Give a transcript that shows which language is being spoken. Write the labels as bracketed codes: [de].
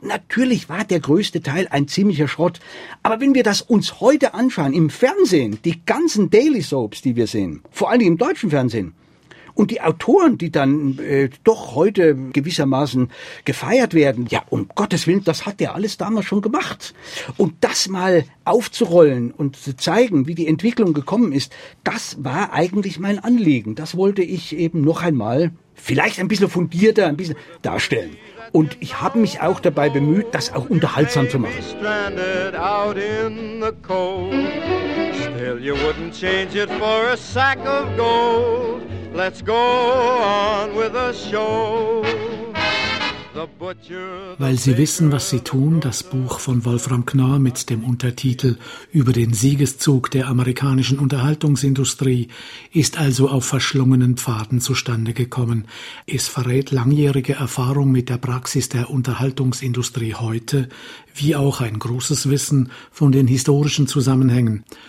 [de] Natürlich war der größte Teil ein ziemlicher Schrott. Aber wenn wir das uns heute anschauen, im Fernsehen, die ganzen Daily Soaps, die wir sehen, vor allem im deutschen Fernsehen, und die Autoren, die dann doch heute gewissermaßen gefeiert werden, ja, um Gottes Willen, das hat der alles damals schon gemacht. Und das mal aufzurollen und zu zeigen, wie die Entwicklung gekommen ist, das war eigentlich mein Anliegen. Das wollte ich eben noch einmal vielleicht ein bisschen fundierter, ein bisschen darstellen. Und ich habe mich auch dabei bemüht, das auch unterhaltsam zu machen. [en] Stranded out in the cold. Still you wouldn't change it for a sack of gold. Let's go on with the show. The butcher, the [de] Weil Sie wissen, was Sie tun, das Buch von Wolfram Knorr mit dem Untertitel Über den Siegeszug der amerikanischen Unterhaltungsindustrie, ist also auf verschlungenen Pfaden zustande gekommen. Es verrät langjährige Erfahrung mit der Praxis der Unterhaltungsindustrie heute, wie auch ein großes Wissen von den historischen Zusammenhängen.